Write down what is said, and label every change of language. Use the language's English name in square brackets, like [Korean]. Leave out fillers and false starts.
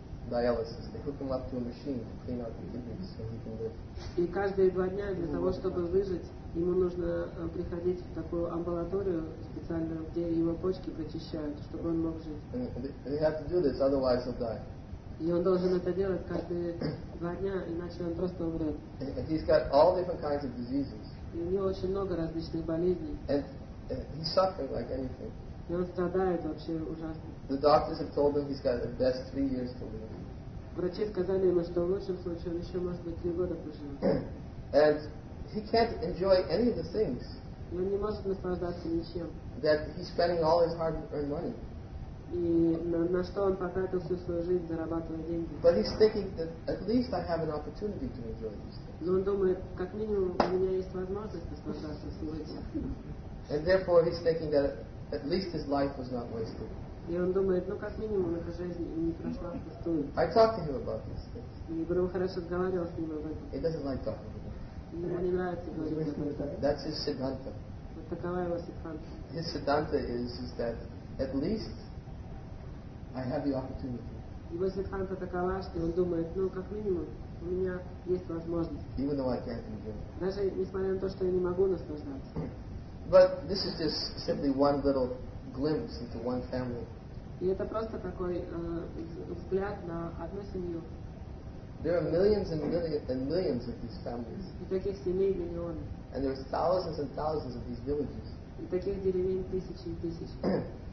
[English] Dialysis. They hook him up to a machine to clean out the kidneys so he can live. [Russian] И каждые 2 дня для того, чтобы выжить, ему нужно приходить в такую амбулаторию специальную, где его почки прочищают, чтобы он мог жить. [English] And he has to do this, otherwise he'll die. [Russian] И он должен это делать каждые 2 дня, иначе он просто умрет. [English] And he's got all different kinds of diseases. [Russian] И у него очень много различных болезней. [English] And he's suffering like anything. [Russian] И он страдает вообще ужасно. [English] The doctors have told him he's got at best 3 years to live. [Russian] Врачи сказали ему, что в лучшем случае он еще может быть 3 года проживет. [English] And he can't enjoy any of the things. [Russian] И он не может наслаждаться ничем. [English] That he's spending all his hard-earned money. [Russian] И на что он потратил всю свою жизнь, зарабатывая деньги. [English] But he's thinking that at least I have an opportunity to enjoy these things. [Russian] Но он думает, как минимум у меня есть возможность наслаждаться всем этим. [English] And therefore he's thinking that at least his life was not wasted. [Russian] И он думает, ну как минимум эта жизнь не прошла впустую. [English] I talked to him about these things. [Russian] И Гурумхарадж разговаривал с ним об этом. [English] He doesn't like talking about it. [Russian] Ему не нравится говорить об этом. [English] That's his siddhanta. [Russian] Вот такова его сиддханта. [English] His siddhanta is that at least I have the opportunity. [Russian] Его сиддханта такова, что он думает, ну как минимум у меня есть возможность. [English] Even though I can't enjoy. [Russian] Даже несмотря на то, что я не могу наслаждаться. [English] But this is just simply one little glimpse into one family. [Russian] И это просто такой взгляд на одну семью. [English] There are millions and millions of these families. [Russian] И таких семей миллионы. [English] And there are thousands and thousands of these villages. [Russian] И таких деревень тысячи и тысячи.